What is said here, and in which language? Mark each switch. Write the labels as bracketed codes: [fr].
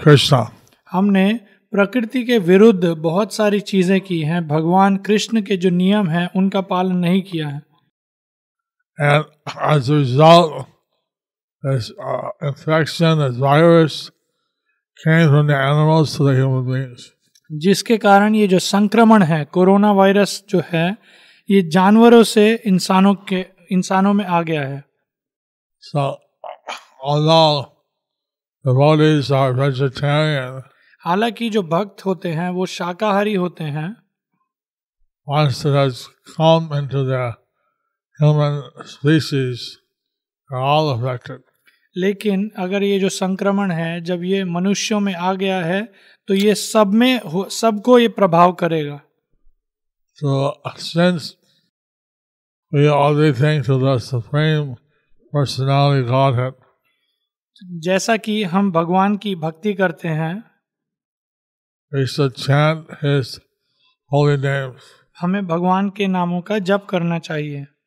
[hi] हमने प्रकृति के विरुद्ध बहुत सारी चीजें की हैं। भगवान कृष्ण के जो नियम हैं उनका पालन नहीं किया है। [en] And as a result, this infection, this virus, came from the animals to the human beings. [hi] जिसके कारण ये जो संक्रमण है कोरोना वायरस जो है ये जानवरों से इंसानों में आ गया है। [en] So, although the devotees are vegetarian, [hi] हालांकि जो भक्त होते हैं वो शाकाहारी होते हैं। [en] Once it has come into the human species, they're all affected. [hi] लेकिन अगर ये जो संक्रमण है जब ये मनुष्यों में आ गया है तो ये सब में सबको ये प्रभाव करेगा। [en] So, since we are everything to the Supreme Personality Godhead, [hi] जैसा कि हम भगवान की भक्ति करते हैं, [en] we should chant his holy names. [hi] हमें भगवान के नामों का जप करना चाहिए।